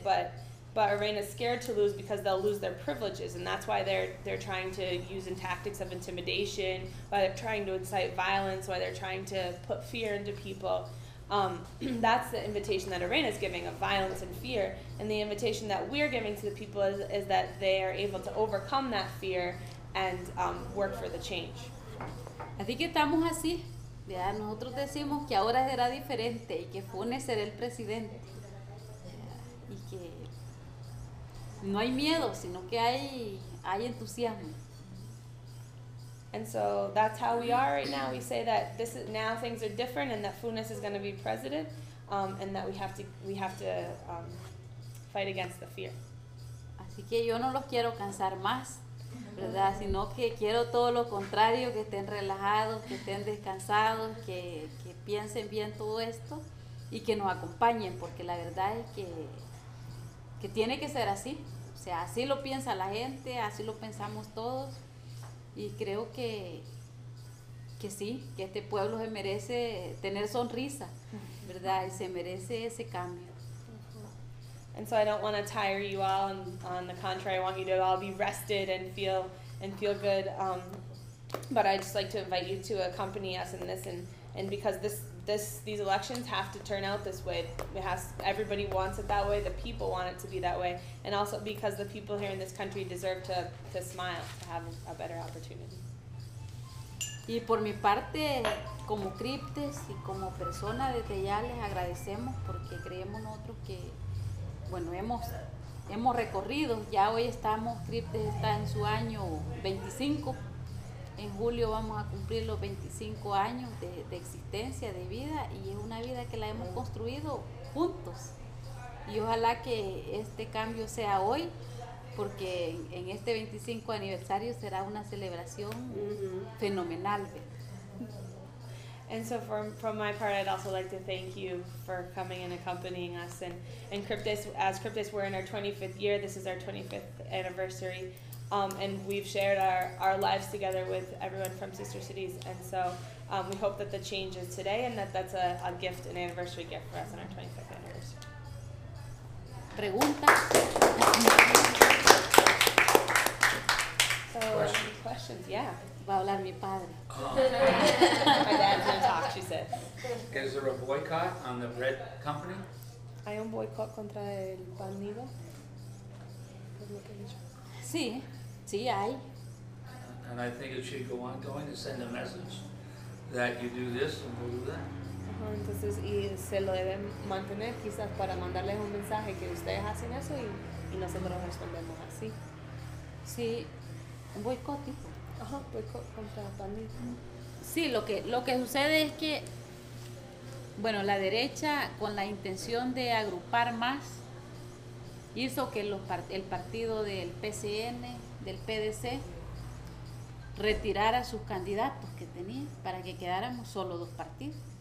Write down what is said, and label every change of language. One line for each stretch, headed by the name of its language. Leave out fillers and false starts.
English: But Arena's scared to lose because they'll lose their privileges, and that's why they're trying to use in tactics of intimidation, why they're trying to incite violence, why they're trying to put fear into people. That's the invitation that Arena is giving, of violence and fear. And the invitation that we're giving to the people is that they are able to overcome that fear and work for the change.
Spanish: Así que estamos así. Ya nosotros decimos que ahora será diferente y que Funes será el presidente. Y que no hay miedo, sino que hay entusiasmo.
English: And so that's how we are right now. We say that this is, now things are different, and that Funes is going to be president, and that we have to fight against the fear.
Spanish: Así que yo no los quiero cansar más, verdad, sino que quiero todo lo contrario, que estén relajados, que estén descansados, que piensen bien todo esto y que nos acompañen, porque la verdad es que tiene que ser así. O sea, así lo piensa la gente, así lo pensamos todos. Y creo que sí, que este pueblo se merece tener sonrisa, ¿verdad? Y se merece ese cambio.
English: And so I don't want to tire you all, and on the contrary, I want you to all be rested and feel good. But I just like to invite you to accompany us in this, and because these elections have to turn out this way. Everybody wants it that way, the people want it to be that way, and also because the people here in this country deserve to smile, to have a better opportunity.
Spanish: Y por mi parte, como criptes y como persona, desde ya les agradecemos, porque creemos nosotros que, bueno, hemos recorrido, ya hoy estamos, criptes está en su año 25, en julio vamos a cumplir los 25 años de existencia, de vida, y es una vida que la hemos construido juntos. Y ojalá que este cambio sea hoy, porque en este 25 aniversario será una celebración fenomenal.
English: And so from my part, I'd also like to thank you for coming and accompanying us. And Cryptis, as Cryptis, we're in our 25th year. This is our 25th anniversary. And we've shared our lives together with everyone from Sister Cities. And so we hope that the change is today, and that's a gift, an anniversary gift for us on our 25th anniversary.
Spanish: Pregunta.
English: So, questions. Questions, yeah.
Spanish: Va a hablar mi padre.
English: My dad's going to talk, she said. Is there a boycott on the bread company?
Spanish: Hay un boycott contra el pan nido. Sí. Sí, hay.
English: And I think it should go on going to send a message that you do this and we'll do that.
Spanish: Uh-huh, entonces, y se lo deben mantener quizás para mandarles un mensaje que ustedes hacen eso y nosotros respondemos así. Sí, un boicot. Ajá, boicot contra Pandit. Sí, lo que sucede es que, bueno, la derecha, con la intención de agrupar más, hizo que el partido del PCN, del PDC, retirara sus candidatos que tenía para que quedáramos solo dos partidos.